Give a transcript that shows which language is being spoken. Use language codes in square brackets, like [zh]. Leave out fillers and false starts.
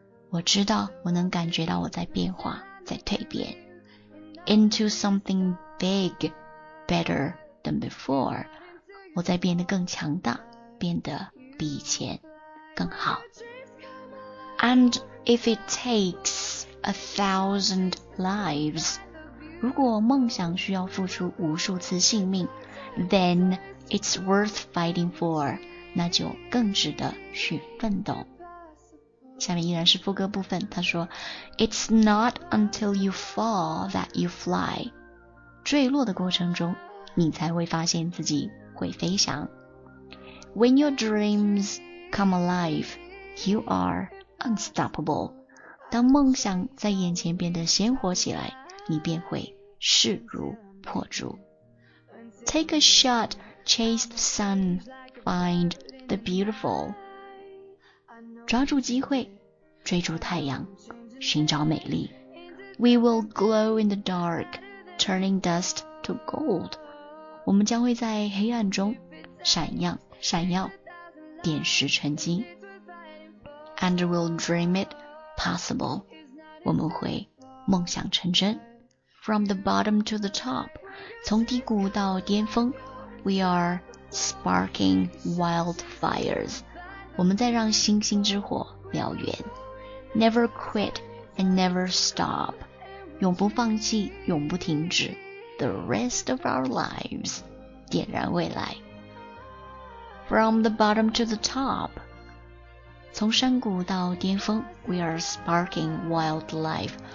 [zh] 我知道，我能感觉到我在变化，在蜕变。 [en] Into something big, better than before. [zh] 我在变得更强大，变得比以前更好。 [en] And if it takes 1,000 lives, [zh] 如果梦想需要付出无数次性命， [en] then it's worth fighting for, [zh] 那就更值得去奋斗。下面依然是副歌部分，他说 [en] It's not until you fall that you fly. [zh] 坠落的过程中，你才会发现自己会飞翔。 [en] When your dreams come alive, you are unstoppable. [zh] 当梦想在眼前变得鲜活起来，你便会势如破竹。 [en] Take a shot, chase the sun, find the beautiful. [zh] 抓住机会，追逐太阳，寻找美丽。 [en] We will glow in the dark, turning dust to gold. [zh] 我们将会在黑暗中闪耀，闪耀，点石成金。 [en] And we'll dream it possible. [zh] 我们会梦想成真。 [en] From the bottom to the top, [zh] 从低谷到巅峰， [en] we are sparking wildfires. [zh] 我们在让星星之火燎原。 [en] Never quit and never stop. [zh] 永不放弃，永不停止。 [en] The rest of our lives, [zh] 点燃未来。 [en] From the bottom to the top, [zh] 从山谷到巅峰， [en] we are sparking wildlife.